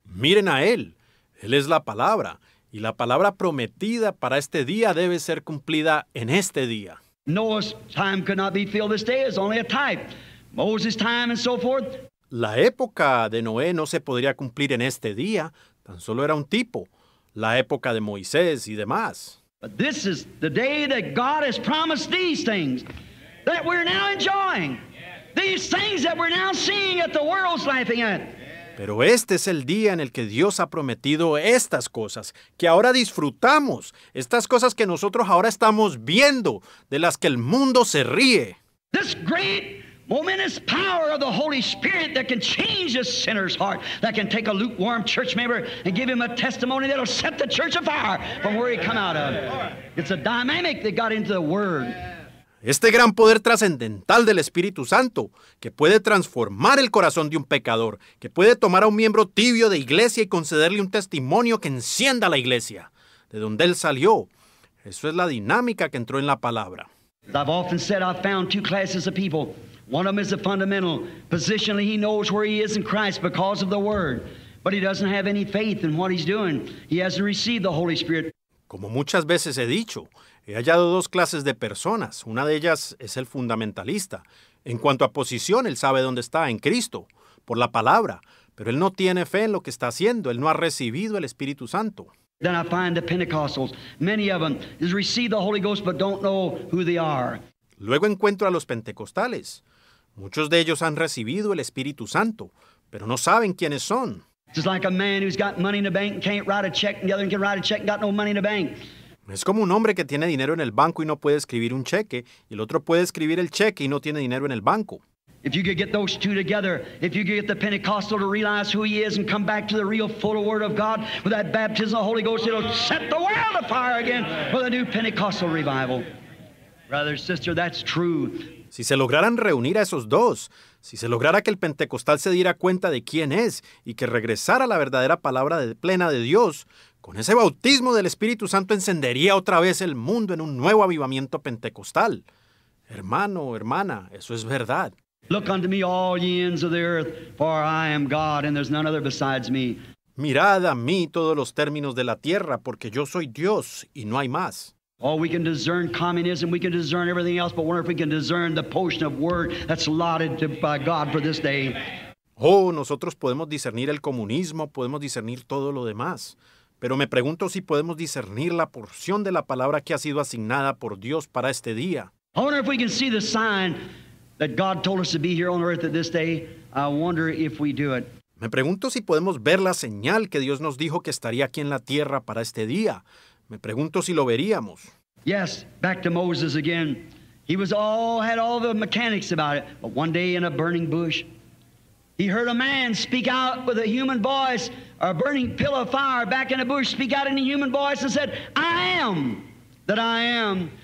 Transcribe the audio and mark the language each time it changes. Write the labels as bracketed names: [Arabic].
[Spanish] Miren a Él. Él es la palabra, y la palabra prometida para este día debe ser cumplida en este día. [English] Noah's time could not be filled this day, it's only a type. Moses' time and so forth. [Spanish] La época de Noé no se podría cumplir en este día, tan solo era un tipo. La época de Moisés y demás. [English] But this is the day that God has promised these things that we're now enjoying. These things that we're now seeing that the world's laughing at. [Spanish] Pero este es el día en el que Dios ha prometido estas cosas, que ahora disfrutamos, estas cosas que nosotros ahora estamos viendo, de las que el mundo se ríe. [English] This great, momentous power of the Holy Spirit that can change a sinner's heart, that can take a lukewarm church member and give him a testimony that'll set the church afire from where he come out of. It's a dynamic that got into the Word. [Spanish] Este gran poder trascendental del Espíritu Santo, que puede transformar el corazón de un pecador, que puede tomar a un miembro tibio de iglesia y concederle un testimonio que encienda la iglesia, de donde él salió. Eso es la dinámica que entró en la palabra. [English] I've often said I've found two classes of people. One of them is the fundamental. Positionally, he knows where he is in Christ because of the Word. But he doesn't have any faith in what he's doing. He hasn't received the Holy Spirit. [Spanish] Como muchas veces he dicho, he hallado dos clases de personas. Una de ellas es el fundamentalista. En cuanto a posición, él sabe dónde está, en Cristo, por la palabra. Pero él no tiene fe en lo que está haciendo. Él no ha recibido el Espíritu Santo. [English] Then I find the Pentecostals. Many of them has received the Holy Ghost, but don't know who they are. [Spanish] Luego encuentro a los pentecostales. Muchos de ellos han recibido el Espíritu Santo, pero no saben quiénes son. [English] It's like a man who's got money in the bank and can't write a check, and the other one can write a check and got no money in the bank. [Spanish] Es como un hombre que tiene dinero en el banco y no puede escribir un cheque, y el otro puede escribir el cheque y no tiene dinero en el banco. [English] If you could get those two together, if you could get the Pentecostal to realize who he is and come back to the real full word of God with that baptism of the Holy Ghost, it'll set the world afire again for the new Pentecostal revival. Brother, sister, that's true. [Spanish] Si se lograran reunir a esos dos, si se lograra que el pentecostal se diera cuenta de quién es y que regresara la verdadera palabra plena de Dios, con ese bautismo del Espíritu Santo encendería otra vez el mundo en un nuevo avivamiento pentecostal. Hermano, hermana, eso es verdad. [English] Look unto me all ye ends of the earth, for I am God and there's none other besides me. [Spanish] Mirad a mí todos los términos de la tierra, porque yo soy Dios y no hay más. [English] Oh, we can discern communism, we can discern everything else, but wonder if we can discern the portion of word that's allotted to, by God for this day. [Spanish] Oh, nosotros podemos discernir el comunismo, podemos discernir todo lo demás, pero me pregunto si podemos discernir la porción de la palabra que ha sido asignada por Dios para este día. [English] I wonder if we can see the sign that God told us to be here on earth at this day. I wonder if we do it. [Spanish] Me pregunto si podemos ver la señal que Dios nos dijo que estaría aquí en la tierra para este día. Me pregunto si lo veríamos. [English] Yes, back to Moses again. He was had all the mechanics about it, but one day in a burning bush, he heard a man speak out with a human voice, a burning pillar of fire back in a bush, speak out in a human voice and said, I am that I am.